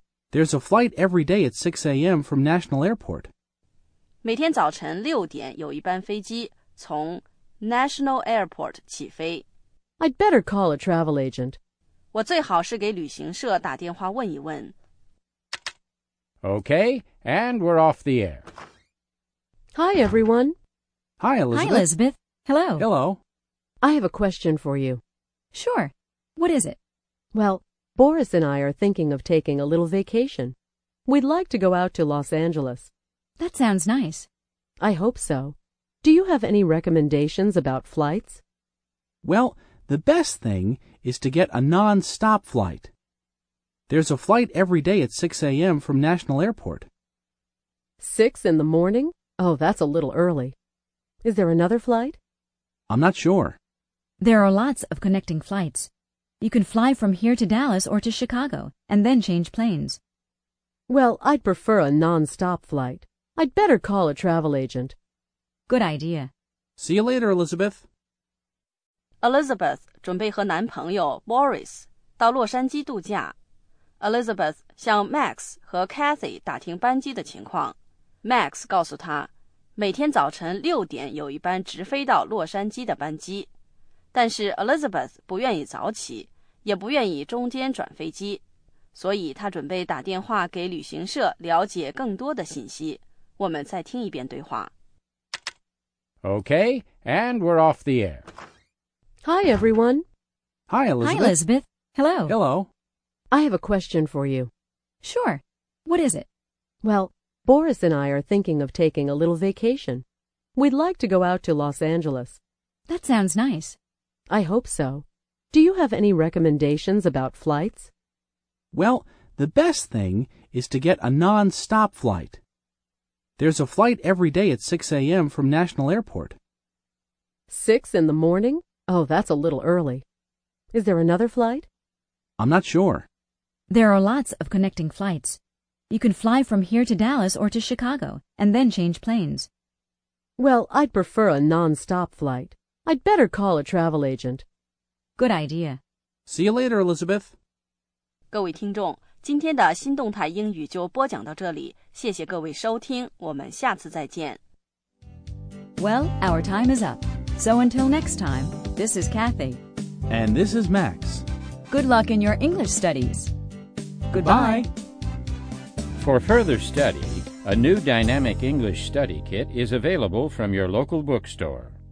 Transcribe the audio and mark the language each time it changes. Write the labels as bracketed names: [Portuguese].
[English] There's a flight every day at 6 a.m. from National Airport. [Chinese] 每天早晨六点有一班飞机从 National Airport 起飞。 [English] I'd better call a travel agent. [Chinese] 我最好是给旅行社打电话问一问。 [English] Okay, and we're off the air. Hi, everyone. Hi, Elizabeth. Hi, Elizabeth. Hello. Hello. I have a question for you. Sure. What is it? Well, Boris and I are thinking of taking a little vacation. We'd like to go out to Los Angeles. That sounds nice. I hope so. Do you have any recommendations about flights? Well, the best thing is to get a non-stop flight. There's a flight every day at 6 a.m. from National Airport. 6 in the morning? Oh, that's a little early. Is there another flight? I'm not sure. There are lots of connecting flights. You can fly from here to Dallas or to Chicago, and then change planes. Well, I'd prefer a non-stop flight. I'd better call a travel agent. Good idea. See you later, Elizabeth. [Chinese] Elizabeth 准备和男朋友 Boris 到洛杉矶度假。 Elizabeth 向 Max 和 Cathy 打听班机的情况。 Max 告诉她每天早晨六点有一班直飞到洛杉矶的班机，但是 Elizabeth 不愿意早起，也不愿意中间转飞机，所以她准备打电话给旅行社了解更多的信息。我们再听一遍对话。 [English] Okay, and we're off the air. Hi, everyone. Hi, Elizabeth. Hi, Elizabeth. Hello. Hello. I have a question for you. Sure. What is it? Well,Boris and I are thinking of taking a little vacation. We'd like to go out to Los Angeles. That sounds nice. I hope so. Do you have any recommendations about flights? Well, the best thing is to get a non-stop flight. There's a flight every day at 6 a.m. from National Airport. 6 in the morning? Oh, that's a little early. Is there another flight? I'm not sure. There are lots of connecting flights. You can fly from here to Dallas or to Chicago, and then change planes. Well, I'd prefer a non-stop flight. I'd better call a travel agent. Good idea. See you later, Elizabeth. [Chinese] 各位听众，今天的新动态英语就播讲到这里。谢谢各位收听，我们下次再见。 [English] Well, our time is up. So until next time, this is Kathy. And this is Max. Good luck in your English studies. Goodbye. Bye. For further study, a new Dynamic English Study Kit is available from your local bookstore.